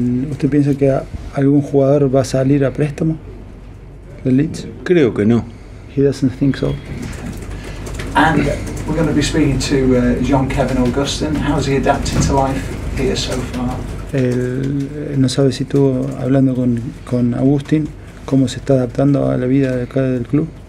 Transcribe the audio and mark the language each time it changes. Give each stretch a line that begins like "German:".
Spanish: ¿Usted piensa que algún jugador va a salir a préstamo de Leeds? Creo que no.
English: He doesn't think so. And we're going to be speaking to Jean-Kevin Augustin. How's he adapted to life here so far?
Spanish: No sabe si estuvo hablando con Agustín, cómo se está adaptando a la vida acá del club.